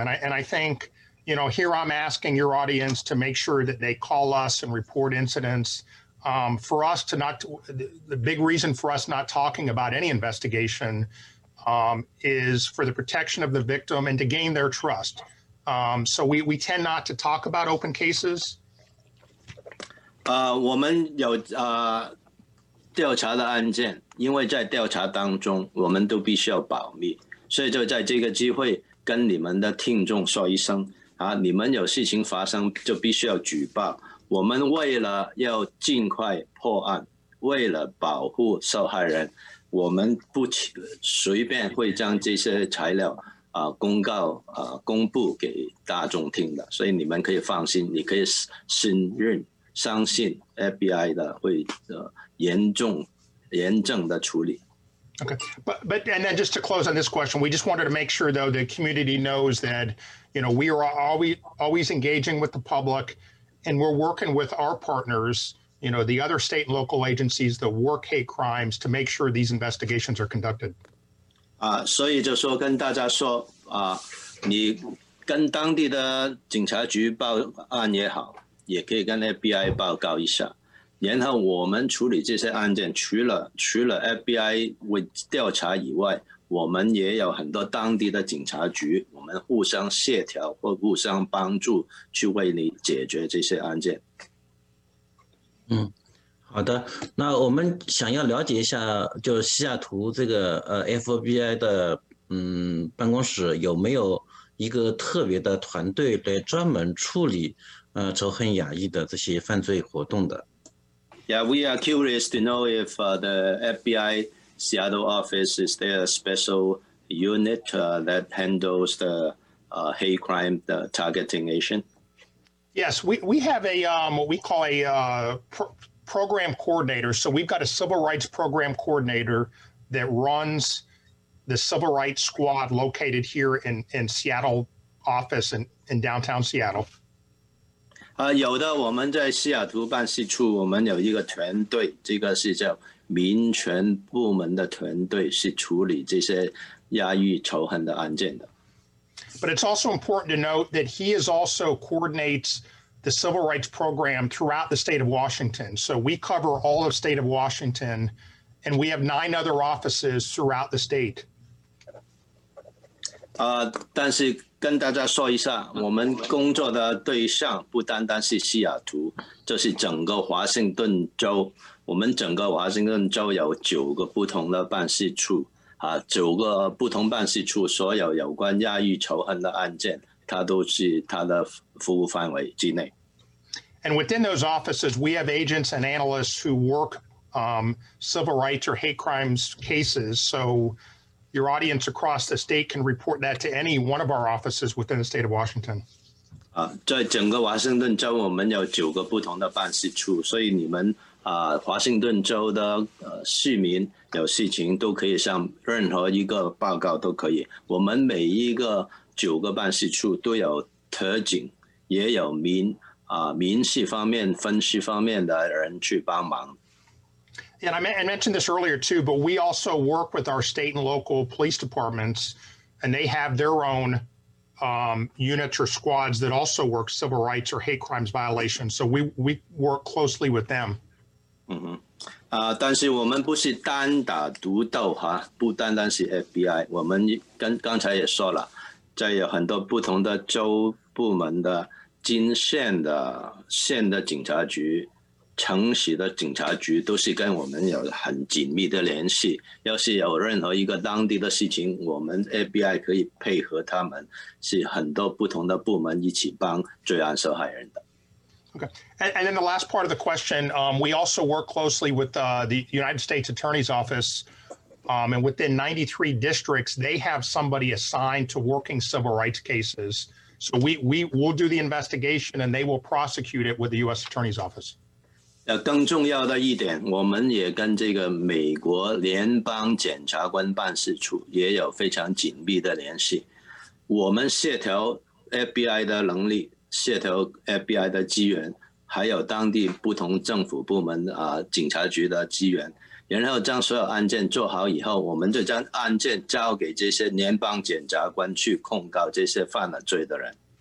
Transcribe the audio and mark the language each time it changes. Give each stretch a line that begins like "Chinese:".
English: And I think, you know, here I'm asking your audience to make sure that they call us and report incidents. For us to not, the big reason for us not talking about any investigation is for the protection of the victim and to gain their trust. So we tend not to talk about open cases.
Chinese: 我们有调查的案件，因为在调查当中我们都必须要保密，所以就在这个机会跟你们的听众说一声啊，你们有事情发生就必须要举报，我们为了要尽快破案，为了保护受害人，我们不随便会将这些材料公告公布给大众听的，所以你们可以放心，你可以信任相信 FBI 的会严正的处理。
English: Okay, but and then just to close on this question, we just wanted to make sure though the community knows that, you know, we are always engaging with the public, and we're working with our partners, you know, the other state and local agencies that work hate crimes to make sure these investigations are conducted.
Chinese: 所以就说跟大家说啊，你跟当地的警察局报案也好，也可以跟 FBI 报告一下。然后我们处理这些案件，除了 FBI 为调查以外，我们也有很多当地的警察局，我们互相协调或互相帮助去为你解决这些案件。好的，那我们想要了解一下，就西雅图这个FBI 的办公室有没有一个特别的团队来专门处理仇恨亚裔的这些犯罪活动的。
English: Yeah, we are curious to know if the FBI Seattle office is there a special unit that handles the hate crime targeting Asian? Yes, we have what we call a program coordinator. So we've got a civil rights program coordinator that runs the civil rights squad located here in Seattle office in downtown Seattle.
Chinese: 有的，我们在西雅图办事处，我们有一个团队，这个是叫民权部门的团队，是处理这些亚裔仇恨的案件的。
English: But it's also important to note that he is also coordinates the civil rights program throughout the state of Washington. So we cover all of state of Washington, and we have 9 other offices throughout the state.
Chinese: 但是。跟大家说一下，我们工作的对象不单单是西雅图，就是整个华盛顿州。我们整个华盛顿州有9个不同的办事处，9个不同办事处所有有关亚裔仇恨的案件，它都是它的服务范围之内。
English: And within those offices, we have agents and analysts who work civil rights or hate crimes cases. So. Your audience across the state can report that to any one of our offices within the state of Washington.
Chinese: 在整个华盛顿州，我们有9个不同的办事处，所以你们华盛顿州的市民有事情都可以向任何一个报告都可以。我们每一个9个办事处都有特警，也有民事方面、分析方面的人去帮忙。
English: And I mentioned this earlier too, but we also work with our state and local police departments, and they have their own units or squads that also work civil rights or hate crimes violations. So we work closely with them.
Chinese: 但是我们不是单打独斗哈，不单单是 FBI， 我们刚才也说了，在有很多不同的州部门的金县的警察局。城市的警察局都是跟我们有很紧密的联系，要是有任何一个当地的事情，我们 FBI 可以配合他们，是很多不同的部门一起帮罪案受害人的。
English: Okay, and then the last part of the question, we also work closely with the United States Attorney's Office, and within 93 districts, they have somebody assigned to working civil rights cases. So we will do the investigation, and they will prosecute it with the U.S. Attorney's Office.
Chinese: 更重要的一点，我们也跟这个美国联邦检察官办事处也有非常紧密的联系。我们协调 FBI 的能力，协调 FBI 的资源，还有当地不同政府部门警察局的资源，然后将所有案件做好以后，我们就将案件交给这些联邦检察官去控告这些犯了罪的人。